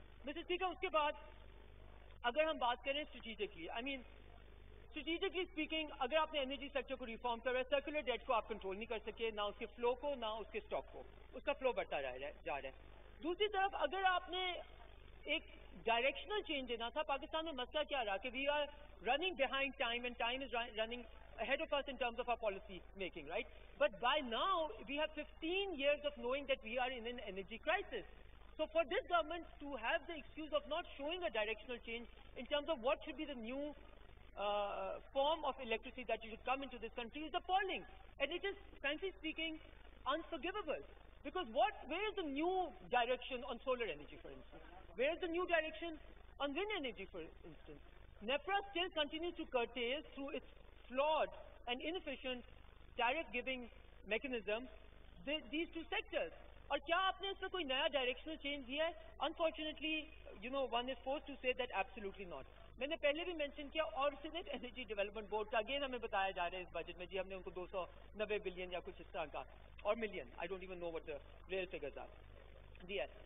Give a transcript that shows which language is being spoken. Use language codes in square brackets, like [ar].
[ur] Mister speaker, اس کے بعد اگر ہم بات کریں اسٹریٹجکلی, [en] I mean strategically speaking, [ur] اگر آپ نے انرجی سیکٹر کو ریفارم کرا ہے, سرکولر ڈیٹ کو آپ کنٹرول نہیں کر سکے, نہ اس کے فلو کو نہ اس کے اسٹاک کو, اس کا فلو بڑھتا جا رہا ہے. دوسری طرف اگر آپ نے ایک ڈائریکشنل چینج دینا تھا. پاکستان میں مسئلہ کیا رہا کہ [en] We are running behind time and time is running ahead of us in terms of our policy making right. But by now we have 15 years of knowing that we are in an energy crisis. So for this government to have the excuse of not showing a directional change in terms of what should be the new form of electricity that should come into this country is appalling. And it is, frankly speaking, unforgivable. Because what, where is the new direction on solar energy, for instance? Where is the new direction on wind energy, for instance? NEPRA still continues to curtail through its flawed and inefficient tariff-giving mechanism these two sectors. [ur] اور کیا آپ نے اس میں کوئی نیا directional change دیا ہے؟ [en] Unfortunately you know one is force to say that absolutely not. [ur] میں نے پہلے بھی مینشن کیا اور سینٹ انرجی ڈیولپمنٹ بورڈ کا اگین ہمیں بتایا جا رہا ہے اس بجٹ میں جی ہم نے ان کو 290 بلین یا کچھ اس طرح کا اور million [en] I don't even know what the real figures are [ur] دیا.